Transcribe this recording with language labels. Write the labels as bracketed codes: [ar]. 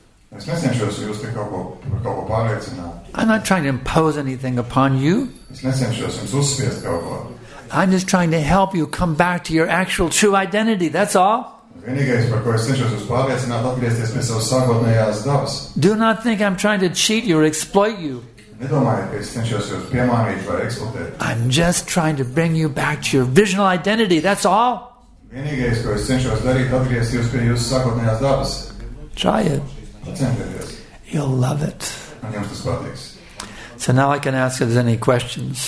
[lv] Es nesenšos jūs te kaut ko pārliecināt. [en] I'm not trying to impose anything upon you. [lv] Es nesenšos jums uzspiest kaut ko. [en] I'm just trying to help you come back to your actual true identity, that's all. [lv] Vienīgais, par ko es cenšos jūs pārliecināt, atgriezties pie savas sākotnējās dabas. [en] Do not think I'm trying to cheat you or exploit you. [lv] Nedomājiet, ka es cenšos jūs piemānīt vai eksploatēt. [en] I'm just trying to bring you back to your visual identity, that's all. [lv] Vienīgais, ko es cenšos darīt, atgriezties jūs pie jūsu sākotnējās dabas. [en] Try it. [lv] Atcentieties. [en] You'll love it. [lv] Un jums tas patiks. [en] So now I can ask if there's any questions.